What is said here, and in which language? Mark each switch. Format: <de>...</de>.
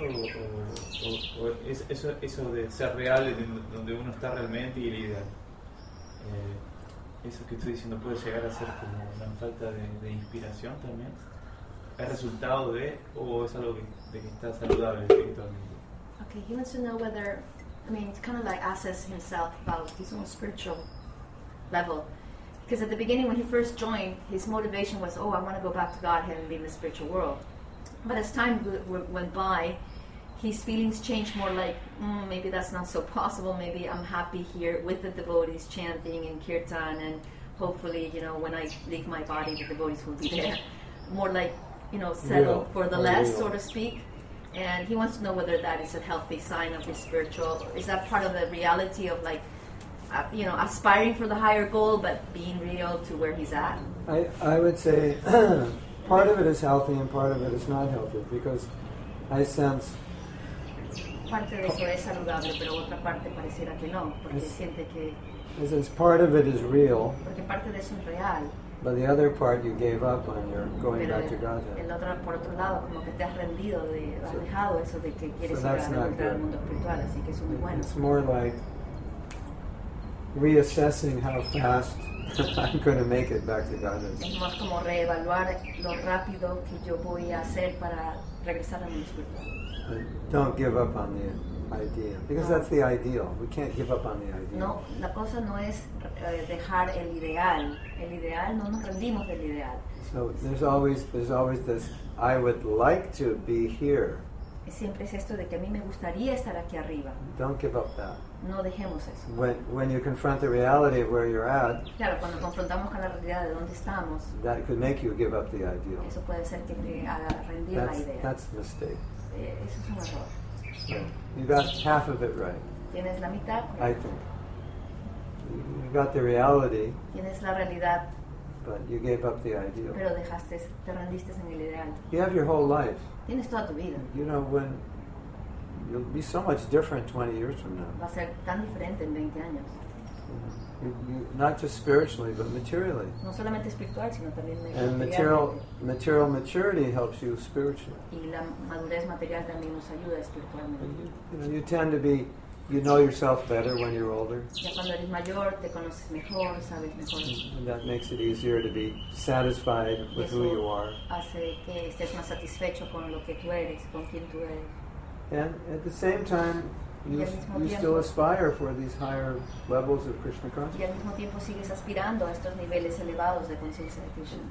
<es>¿O es eso de ser real de donde uno está realmente y el ideal? ¿Eso que estoy diciendo puede llegar a ser como una falta de inspiración también? ¿Es resultado de o es algo de que está saludable espiritualmente?</es> <en>Okay, he wants to know whether, I mean, kind of like assess himself about his own spiritual level. Because at the beginning, when he first joined, his motivation was, oh, I want to go back to Godhead and be in the spiritual world. But as time went by, his feelings changed more like, maybe that's not so possible. Maybe I'm happy here with the devotees chanting in kirtan, and hopefully, you know, when I leave my body, the devotees will be there. More like, you know, settle for the less, so to speak. And he wants to know whether that is a healthy sign of his spiritual, or is that part of the reality of, like, you know, aspiring for the higher goal but being real to where he's at? I would say part of it is healthy and part of it is not healthy, because I sense...</en> <es>Parte de eso es saludable, pero otra parte pareciera que no, porque siente que...</es> <en>I sense part of it is real.</en> <es>Porque parte de eso es real.</es> <en>But the other part you gave up on, you're going</en> <es>pero</es> <en>back to Godhead.</en> <es>El otro, por otro lado, como que te has rendido, has dejado eso de que quieres llegar al mundo espiritual, así que es muy bueno.</es> <en>It's more like reassessing how fast I'm going to make it back to Godhead.</en> <es>Es más como reevaluar lo rápido que yo voy a hacer para regresar a mi espiritual.</es> <en>Don't give up on the idea, because that's the ideal. We can't give up on the ideal.</en> <es>No, la cosa no es dejar el ideal. El ideal, no nos rendimos del ideal.</es> <en>So there's always this, I would like to be here.</en> <es>Y siempre es esto de que a mí me gustaría estar aquí arriba.</es> <en>Don't give up that.</en> <es>No dejemos eso.</es> <en>When you confront the reality of where you're at.</en> <es>Claro, cuando confrontamos con la realidad de dónde estamos.</es> <en>That could make you give up the ideal.</en> <es>Eso puede ser que te haga rendir la idea.</es> <en>That's a mistake.</en> <es>Eso es un error.</es> <en>So you got half of it right.</en> <es>¿Tienes la mitad?</es> <en>I think. You got the reality.</en> <es>¿Tienes la realidad?</es> <en>But you gave up the ideal.</en> <es>Pero dejaste, te rendiste en el ideal.</es> <en>You have your whole life.</en> <es>¿Tienes toda tu vida?</es> <en>You know, when you'll be so much different 20 years from now.</en> <es>Va a ser tan diferente en 20 años.</es> <en>You, not just spiritually, but materially.</en> <es>No solamente espiritual, sino también materialmente.</es> <en>And material maturity helps you spiritually.</en> <es>Y la madurez material también nos ayuda espiritualmente.</es> <en>You tend to be, you know yourself better when you're older.</en> <es>Ya cuando eres mayor, te conoces mejor, sabes mejor.</es> <en>And that makes it easier to be satisfied with who you are.</en> <es>Hace que estés más satisfecho con lo que tú eres, con quién tú eres.</es> <en>And at the same time, You still aspire for these higher levels of Krishna consciousness.</en> <es>Y al mismo tiempo sigues aspirando a estos niveles elevados de conciencia de Krishna.</es>